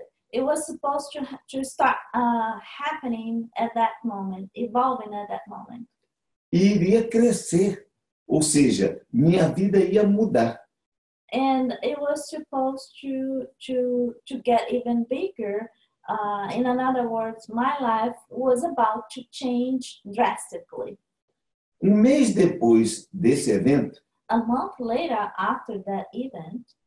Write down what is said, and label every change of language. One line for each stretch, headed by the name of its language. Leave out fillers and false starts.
English: It was supposed to start happening at that moment, evolving at that moment.
Portuguese: E iria crescer, ou seja, minha vida ia mudar.
English: And it was supposed to get even bigger. In another words, my life was about to change drastically.
Portuguese: Um mês depois desse evento,
English: a month later after that event,